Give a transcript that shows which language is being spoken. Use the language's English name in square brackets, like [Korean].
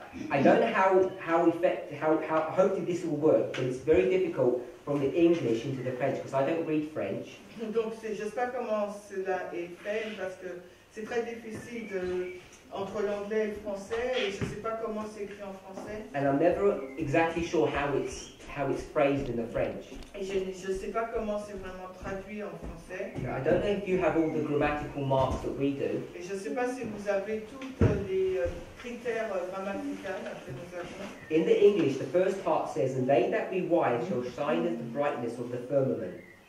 [English] I don't know how hopefully this will work, but it's very difficult from the English into the French because I don't read French. [French] Donc, je ne sais pas comment cela est fait parce que c'est très difficile de entre l'anglais et le français, et je ne sais pas comment c'est écrit en français. [English] And I'm never exactly sure how it's phrased in the French. [French] Et je ne sais pas comment c'est vraiment traduit en français. [English] I don't know if you have all the grammatical marks that we do. [French] Et je ne sais pas si vous avez toutes les critères grammaticaux que nous avons. [English] In the English, the first part says, "And they that be wise shall shine as the brightness of the firmament."